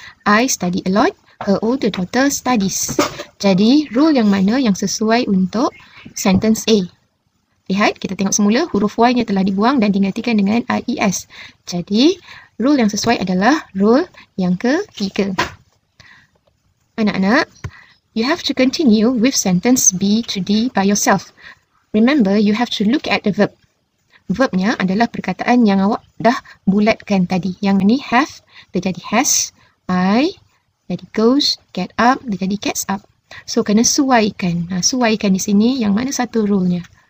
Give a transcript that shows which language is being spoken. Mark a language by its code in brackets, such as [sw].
[en] I study a lot, her older daughter studies. [ms] Jadi, rule yang mana yang sesuai untuk [en] sentence A? [ms] Lihat, kita tengok semula, huruf Y-nya telah dibuang dan digantikan dengan IES. Jadi, rule yang sesuai adalah rule yang ketiga. [en] Anak-anak, you have to continue with sentence B to D by yourself. Remember, you have to look at the verb. [ms] Verbnya adalah perkataan yang awak dah bulatkan tadi. Yang ini have, dia jadi has. I, jadi goes. Get up, dia jadi gets up. So, kena suaikan. Nah, suaikan di sini yang mana satu rule-nya.